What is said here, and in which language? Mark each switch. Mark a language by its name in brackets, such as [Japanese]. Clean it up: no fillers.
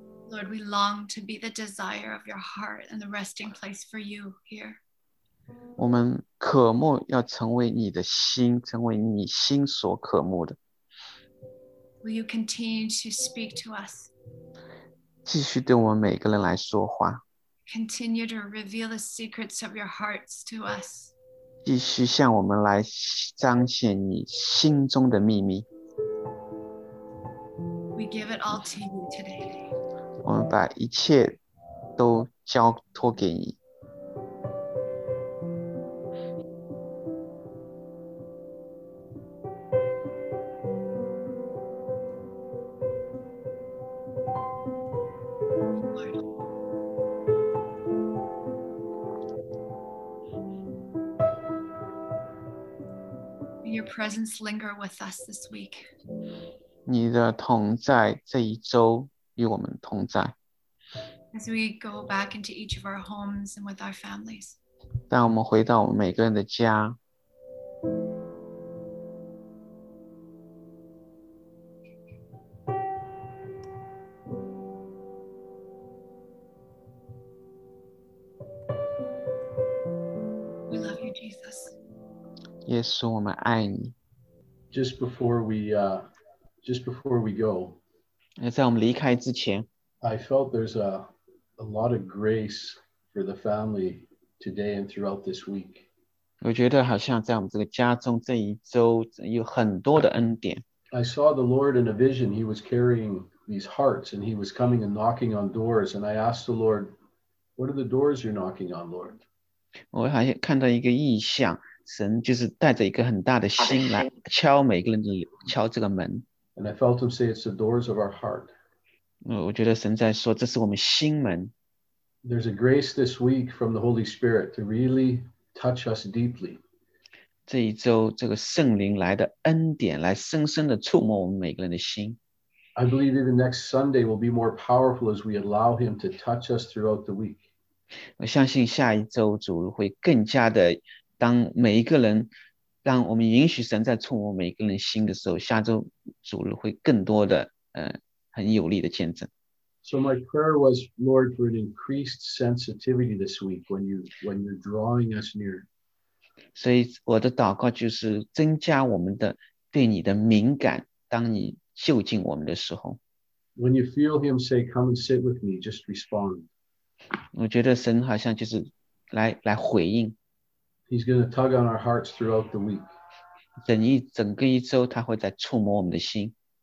[English] Lord, we long to be the desire of your heart and the resting place for you here. [Chinese] 我们渴慕要成为你的心，成为你心所渴慕的。 [English] Will you continue to speak to us? [Chinese] 继续对我们每个人来说话。 [English] Continue to reveal the secrets of your hearts to us. [Chinese] 继续向我们来彰显你心中的秘密。 [English] We give it all to you today. [Chinese] 我们把一切都交托给你。 [English] Presence linger with us this week. [Chinese] 你的同在这一周与我们同在。 [English] As we go back into each of our homes and with our families. [Chinese] 当我们回到我们每个人的家。 [English] We love you, Jesus. [Chinese] 耶稣，我们爱你。 [English] Just before we go, [Chinese] 在我们离开之前, [English] I felt there's a lot of grace for the family today and throughout this week. [Chinese] 我觉得好像在我们这个家中这一周有很多的恩典。 [English] I saw the Lord in a vision. He was carrying these hearts and he was coming and knocking on doors. And I asked the Lord, what are the doors you're knocking on, Lord? [Chinese] 我好像看到一个异象。神就是带着一个很大的心来敲每个人的敲这个门。 [English] And I felt him say it's the doors of our heart. [Chinese] 我觉得神在说这是我们心门。 [English] There's a grace this week from the Holy Spirit to really touch us deeply. [Chinese] 这一周这个圣灵来的恩典来深深的触摸我们每个人的心。 [English] I believe even next Sunday will be more powerful as we allow him to touch us throughout the week. [Chinese] 我相信下一周主会更加的当每一个人，当我们允许神在触摸每一个人心的时候，下周主日会更多的，很有力的见证。 [English] So my prayer was, Lord, for an increased sensitivity this week when you're drawing us near. [Chinese] 所以我的祷告就是增加我们的对你的敏感，当你就近我们的时候。 [English] When you feel him say, come and sit with me, just respond. [Chinese] 我觉得神好像就是来回应。 [English] He's going to tug on our hearts throughout the week. [Chinese] 整个一周他会在触摸我们的心。